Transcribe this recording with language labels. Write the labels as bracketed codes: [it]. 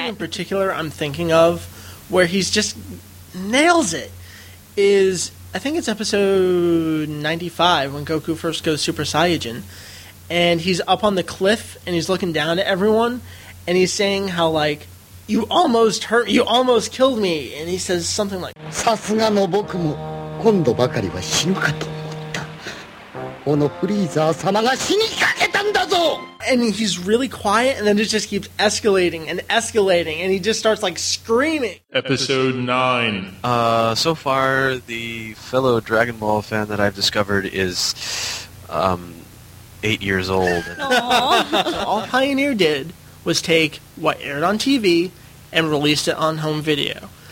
[en] One in particular I'm thinking of where he's just nails it is, I think it's episode 95 when Goku first goes Super Saiyajin, and he's up on the cliff and he's looking down at everyone and he's saying how you almost killed me, and he says something like, [ja] さすがの僕も今度ばかりは死ぬかと思ったこのフリーザー様が死にかけたんだぞ! [en] And he's really quiet, and then it just keeps escalating and escalating, and he just starts, like, screaming. Episode 9. So far, the fellow Dragon Ball fan that I've discovered is, 8 years old. So all Pioneer did was take what aired on TV and released it on home video.